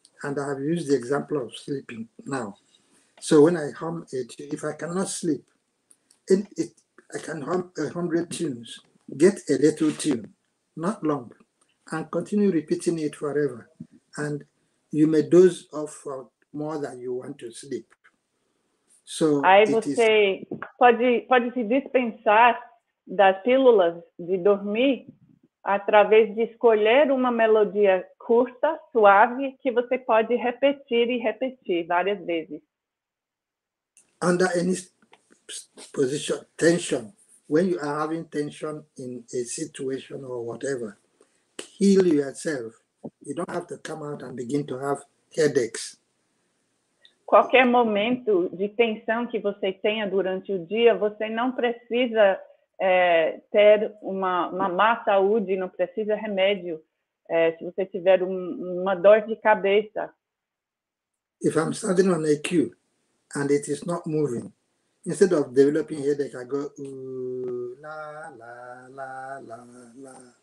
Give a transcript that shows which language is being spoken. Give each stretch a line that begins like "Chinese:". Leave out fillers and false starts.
English: And I have used the example of sleeping now. So when I hum it, if I cannot sleep, I can hum 100 tunes, get a little tune, not long, and continue repeating it forever. And you may doze off for more than you want to sleep. So
Portuguese: aí você pode se dispensar das pílulas de dormir através de escolher uma melodia curta, suave, que você pode repetir e repetir várias vezes.
English: Under any position, tension, when you are having tension in a situation or whatever, heal yourself. You don't have to come out and begin to have headaches.
Portuguese: Qualquer momento de tensão que você tenha durante o dia, você não precisa ter uma má saúde, não precisa remédio. Se você tiver uma dor de cabeça.
English: If I'm standing on a queue and it is not moving, instead of developing headache, I go ooh la la la la la.